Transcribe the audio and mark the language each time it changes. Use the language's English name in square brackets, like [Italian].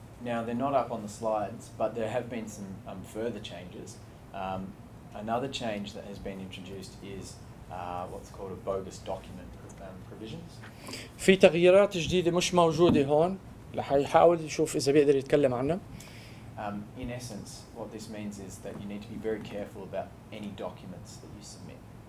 [English] Now they're not up on the slides but there have been some further changes. Another change that has been introduced is what's called a bogus document provisions. [Arabic] في تغييرات جديدة مش موجودة هون. رح يحاول يشوف إذا بيقدر يتكلم عنها. [English] In essence, what this means is that you need to be very careful about any documents that you submit.